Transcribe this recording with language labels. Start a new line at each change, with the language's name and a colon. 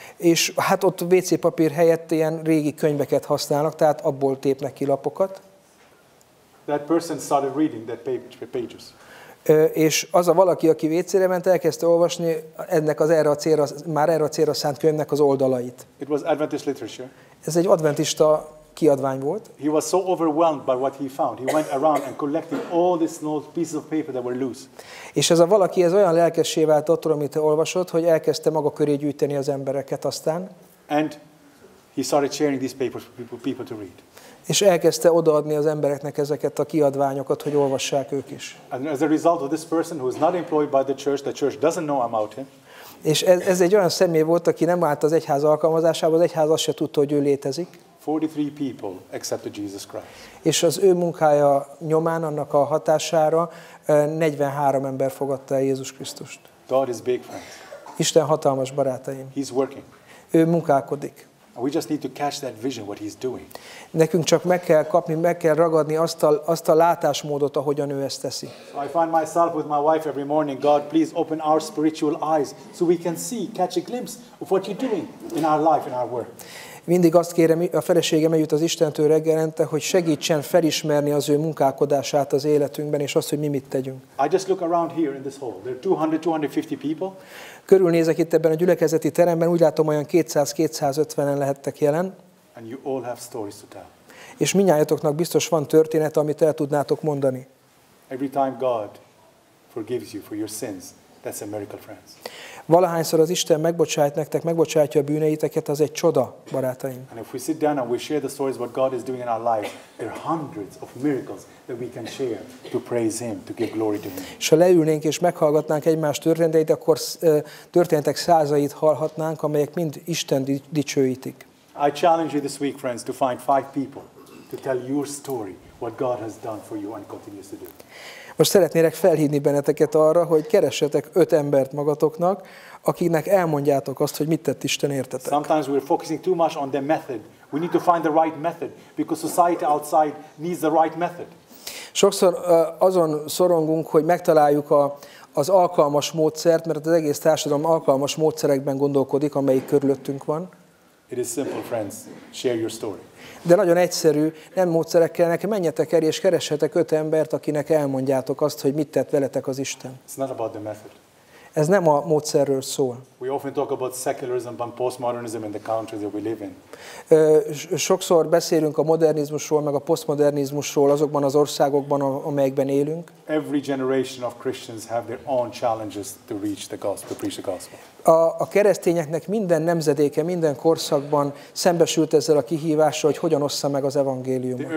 Hungarian: És hát ott WC papír helyett ilyen régi könyveket használnak, tehát abból tépnek ki lapokat.
English: That person started reading that pages.
Hungarian: És az a valaki, aki WC-re ment, elkezdte olvasni ennek az erre a célra, már erre a célra szánt könyvnek az oldalait.
English: It was Adventist literature.
Hungarian: Ez egy adventista kiadvány volt.
English: He was so overwhelmed by what he found. He went around and collected all these small pieces of paper that were loose.
Hungarian: És ez a valaki, ez olyan lelkessé vált attól, amit olvasott, hogy elkezdte maga köré gyűjteni az embereket aztán.
English: And he started sharing these papers for people to read.
Hungarian: És elkezdte odaadni az embereknek ezeket a kiadványokat, hogy olvassák ők is.
English: And as a result of this person who is not employed by the church doesn't know about him.
Hungarian: És ez egy olyan személy volt, aki nem állt az egyház alkalmazásában, az egyház azt se tudta, hogy ő létezik.
English: 43 people accepted Jesus Christ.
Hungarian: És az ő munkája nyomán, annak a hatására 43 ember fogadta Jézus Krisztust.
English: God is big, friends.
Hungarian: Isten hatalmas, barátaim.
English: He's working.
Hungarian: Ő munkálkodik.
English: We just need to catch that vision, what he's doing.
Hungarian: Nekünk csak meg kell kapni, meg kell ragadni azt a látásmódot, ahogyan ő ezt teszi.
English: So I find myself with my wife every morning. God, please open our spiritual eyes so we can see, catch a glimpse of what you're doing in our life, in our work.
Hungarian: Mindig azt kérem, a feleségem eljut az Istentől reggelente, hogy segítsen felismerni az ő munkálkodását az életünkben, és azt, hogy mi mit tegyünk.
English: I just look around here in this hall. There are 200-250 people.
Hungarian: Körülnézek itt ebben a gyülekezeti teremben, úgy látom, olyan 200-250-en lehettek jelen.
English: And you all have stories to tell.
Hungarian: És mindnyájatoknak biztos van történet, amit el tudnátok mondani.
English: Every time God forgives you for your sins, that's a miracle, friends.
Hungarian: Valahányszor az Isten megbocsájt nektek, megbocsátja a bűneiteket, az egy csoda, barátaim.
English: And if we sit down and we share the stories what God is doing in our life, there are hundreds of miracles that we can share to praise Him, to give glory to Him.
Hungarian: És ha leülnénk és meghallgatnánk egymás történeteit, akkor történetek százait hallhatnánk, amelyek mind Isten dicsőítik.
English: I challenge you this week, friends, to find 5 people to tell your story, what God has done for you and continues to do.
Hungarian: Most szeretnélek felhívni benneteket arra, hogy keressetek 5 embert magatoknak, akiknek elmondjátok azt, hogy mit tett Isten értetek.
English: Sometimes we're focusing too much on the method. We need to find the right method because society outside needs the right method.
Hungarian: Sokszor azon szorongunk, hogy megtaláljuk a az alkalmas módszert, mert az egész társadalom alkalmas módszerekben gondolkodik, amelyik körülöttünk van.
English: It is simple, friends. Share your story.
Hungarian: De nagyon egyszerű, nem módszerekkel, nekem menjetek el és keressetek öt embert, akinek elmondjátok azt, hogy mit tett veletek az Isten.
English: It's not about the method.
Hungarian: Ez nem a módszerről szól.
English: We often talk about secularism and postmodernism in the country that we live in.
Hungarian: Sokszor beszélünk a modernizmusról, meg a postmodernizmusról azokban az országokban, amelyekben élünk.
English: Every generation of Christians have their own challenges to reach the gospel, to preach the gospel.
Hungarian: A keresztényeknek minden nemzedéke, minden korszakban szembesült ezzel a kihívással, hogy hogyan ossza meg az evangéliumot.